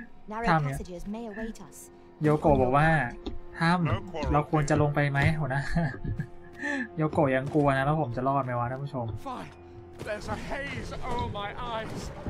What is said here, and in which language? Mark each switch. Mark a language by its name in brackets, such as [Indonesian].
[English] Narrow passages may await us. [Thai] โยโกะบอกว่าถ้ำเราควรจะลงไปไหมหัวหน้าโยโกะยังกลัวนะแล้วผมจะรอดไหมวะท่านผู้ชม [English] Fine. There's a haze over my eyes.